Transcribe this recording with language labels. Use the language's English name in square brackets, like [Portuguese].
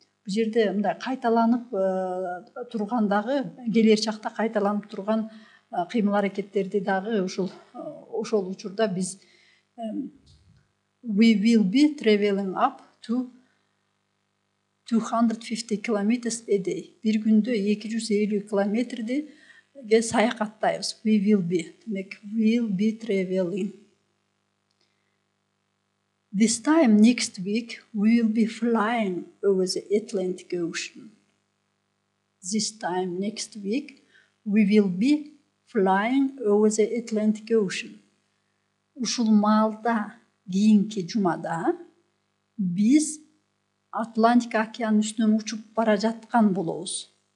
[Kyrgyz] Бул жерде мындай кайталанып тургандагы, келер чакта кайталанып турган кыймыл аракеттерди дагы ошол учурда биз [English] we will be traveling up to 250 kilometers a day. [Kyrgyz] Бир күндө 250 километрди ге саякаттайбыз. [English] We will be. [Kyrgyz] Демек, [English] will be traveling. This time next week we will be flying over the Atlantic Ocean. This time next week we will be flying over the Atlantic Ocean. [Kyrgyz] Ушул маалда кийинки жумада биз Атлантика океанынын үстүнөн учуп бара жаткан болобуз.